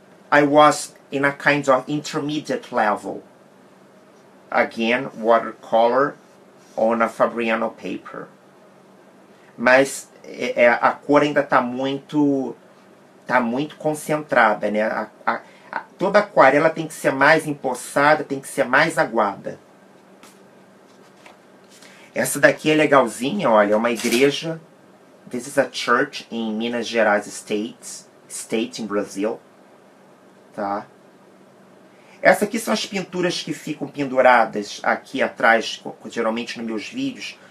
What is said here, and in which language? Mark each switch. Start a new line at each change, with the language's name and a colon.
English: I was in a kind of intermediate level. Again, watercolor on a Fabriano paper. Mas
Portuguese: a cor ainda tá muito concentrada, né? Toda aquarela tem que ser mais empoçada, tem que ser mais aguada. Essa daqui é legalzinha, olha, é uma igreja.
English: This is a church in Minas Gerais state in Brazil.
Portuguese: Tá? Essa aqui são as pinturas que ficam penduradas aqui atrás, geralmente nos meus vídeos.